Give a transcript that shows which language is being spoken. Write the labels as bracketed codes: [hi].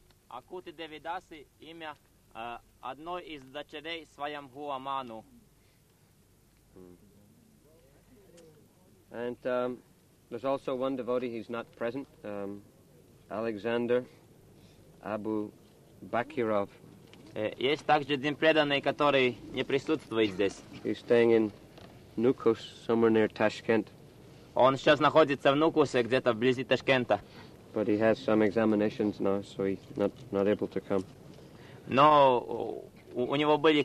[ru] Акути Девидаси – имя одной из дочерей Свайамбхува Ману. [en] And there's also one devotee, he's not present, Alexander Abu Bakirov. [ru] Есть также один преданный, который не присутствует здесь. [en] He's staying in Nukus, somewhere near Tashkent. [ru] Он сейчас находится в Нукусе, где-то вблизи Ташкента. [en] But he has some examinations now, so he's not able to come. [ru] Но у него были какие-то экзамены, он не смог прийти.